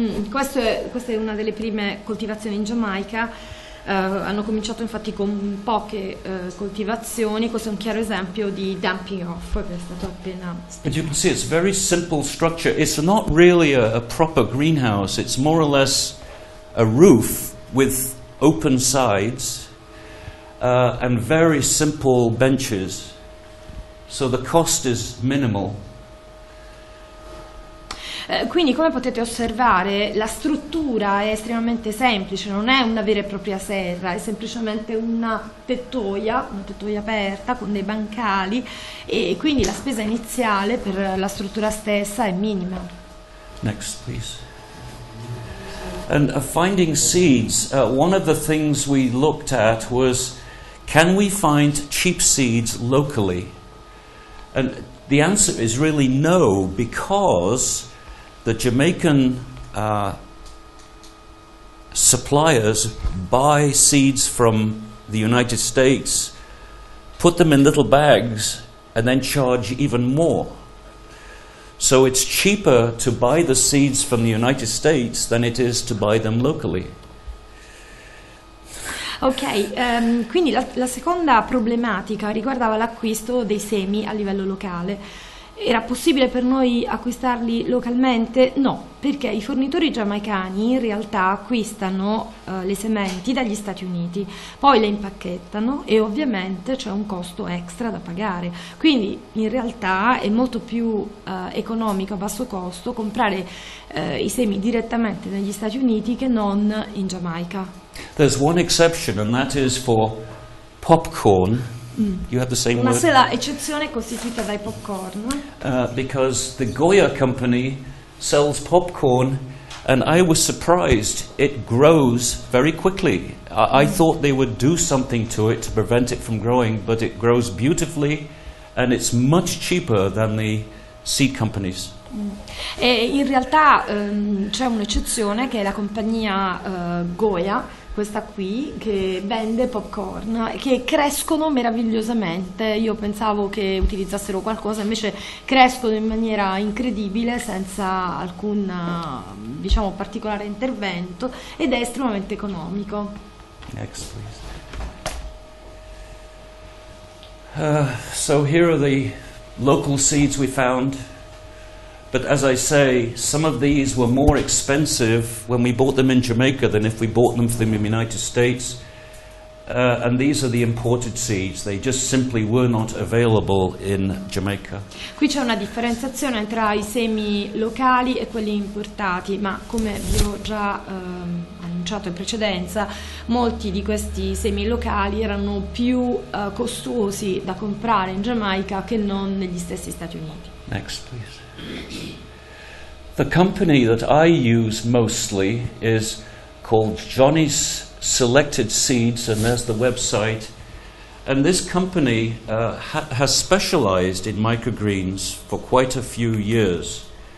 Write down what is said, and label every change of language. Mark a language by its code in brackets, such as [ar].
[it] Questa è una delle prime coltivazioni in Giamaica. Hanno cominciato infatti con poche coltivazioni. Questo è un chiaro esempio di dumping off che è stato appena spiegato. [en] But you can see it's very simple structure. It's not really a proper greenhouse. It's more or less a roof with open sides and very simple benches, so the cost is minimal. [it] Quindi, come potete osservare, la struttura è estremamente semplice, non è una vera e propria serra, è semplicemente una tettoia aperta con dei bancali, e quindi la spesa iniziale per la struttura stessa è minima. [en] Next, please. And finding seeds, one of the things we looked at was, can we find cheap seeds locally? And the answer is really no, because the Jamaican suppliers buy seeds from the United States, put them in little bags, and then charge even more. So it's cheaper to buy the seeds from the United States than it is to buy them locally. [it] Ok, quindi la seconda problematica riguardava l'acquisto dei semi a livello locale. Era possibile per noi acquistarli localmente? No, perché i fornitori giamaicani in realtà acquistano le sementi dagli Stati Uniti, poi le impacchettano e ovviamente c'è un costo extra da pagare. Quindi in realtà è molto più economico, a basso costo, comprare i semi direttamente negli Stati Uniti che non in Giamaica. [en] There's one exception, and that is for popcorn. You have the same [it] Ma [en] word. [it] Se la eccezione è costituita dai popcorn? [en] Because the Goya company sells popcorn, and I was surprised it grows very quickly. I thought they would do something to it to prevent it from growing, but it grows beautifully, and it's much cheaper than the seed companies. [it] E in realtà c'è un'eccezione che è la compagnia Goya. Questa qui che vende popcorn, che crescono meravigliosamente. Io pensavo che utilizzassero qualcosa, invece crescono in maniera incredibile senza alcun diciamo particolare intervento ed è estremamente economico. [en] Next, please. So here are the local seeds we found. But as I say, some of these were more expensive when we bought them in Jamaica than if we bought them for them in the United States. And these are the imported seeds. They just simply were not available in Jamaica. [it] Qui c'è una differenziazione tra i semi locali e quelli importati, ma come vi ho già annunciato in precedenza, molti di questi semi locali erano più costosi da comprare in Giamaica che non negli stessi Stati Uniti. [en] Next, please. The company that I use mostly is called Johnny's Selected Seeds, and there's the website. And this company has specialized in microgreens for quite a few years.